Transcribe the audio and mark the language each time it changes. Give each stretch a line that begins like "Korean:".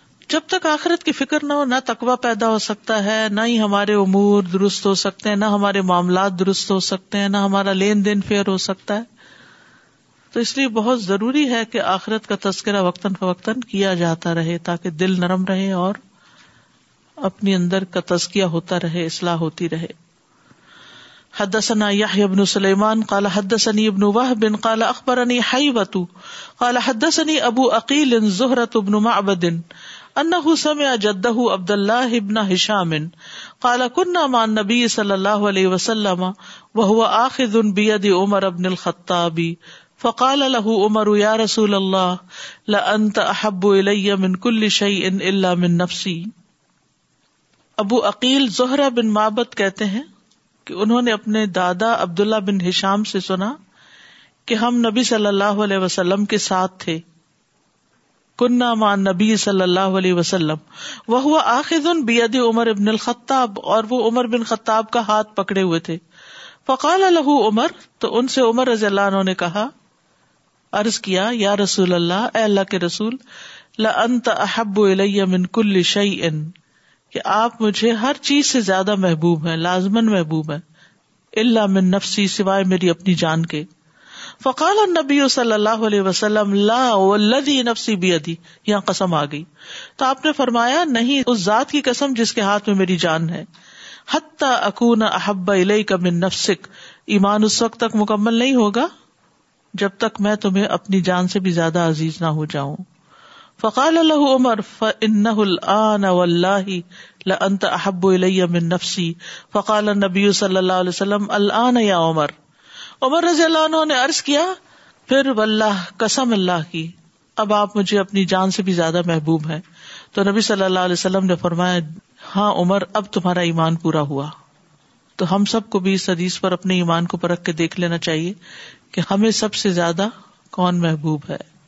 Urdu: جب تک آخرت کی فکر نہ ہو نہ تقویٰ پیدا ہو سکتا ہے, نہ ہی ہمارے امور درست ہو سکتے ہیں, نہ ہمارے معاملات درست ہو سکتے ہیں, نہ ہمارا لین دین فیئر ہو سکتا ہے. تو اس لیے بہت ضروری ہے کہ آخرت کا تذکرہ وقتاً فوقتاً کیا جاتا رہے تاکہ دل نرم رہے اور اپنے اندر کا تزکیہ ہوتا رہے, اصلاح ہوتی رہے.
Arabic: حدثنا يحيى بن سليمان قال حدثني ابن وهب قال اخبرني حيوة قال حدثني ابو عقيل زهرة بن معبد انه سمع جده عبد الله بن هشام قال كنا مع النبي صلى الله عليه وسلم وهو اخذ بيد عمر بن الخطاب فقال له عمر يا رسول الله لانت احب الي من كل شيء الا من نفسي.
Urdu: ابو عقيل زهرة بن معبد کہتے ہیں کہ انہوں نے اپنے دادا عبداللہ بن ہشام سے سنا کہ ہم نبی صلی اللہ علیہ وسلم کے ساتھ تھے.
Arabic: کننا مع نبی صلی اللہ علیہ وسلم وہو آخذ بید عمر بن الخطاب
Urdu: اور وہ عمر بن خطاب کا ہاتھ پکڑے ہوئے تھے.
Arabic: فقال له عمر
Urdu: تو ان سے عمر رضی اللہ عنہ نے کہا عرض کیا یا رسول اللہ اے اللہ کے رسول
Arabic: لانت احب الی من کل شیء
Urdu: کہ آپ مجھے ہر چیز سے زیادہ محبوب ہیں لازمن محبوب ہیں
Arabic: الا من نفسی
Urdu: سوائے میری اپنی جان کے.
Arabic: فقال النبی صلی اللہ علیہ وسلم لا والذی نفسی بیدی
Urdu: یہاں قسم آ گئی تو آپ نے فرمایا نہیں اس ذات کی قسم جس کے ہاتھ میں میری جان ہے
Arabic: حتی اکون احب الیک من نفسک
Urdu: ایمان اس وقت تک مکمل نہیں ہوگا جب تک میں تمہیں اپنی جان سے بھی زیادہ عزیز نہ ہو جاؤں.
Arabic: فقال له عمر فإنه الآن والله لأنت أحب إلي من نفسي. فقال النبي صلى الله عليه وسلم الآن يا عمر.
Urdu: عمر رضی اللہ عنہ نے عرض کیا پھر واللہ قسم اللہ کی اب آپ مجھے اپنی جان سے بھی زیادہ محبوب ہیں. تو نبی صلی اللہ علیہ وسلم نے فرمایا ہاں عمر اب تمہارا ایمان پورا ہوا. تو ہم سب کو بھی اس حدیث پر اپنے ایمان کو پرکھ کے دیکھ لینا چاہیے کہ ہمیں سب سے زیادہ کون محبوب ہے.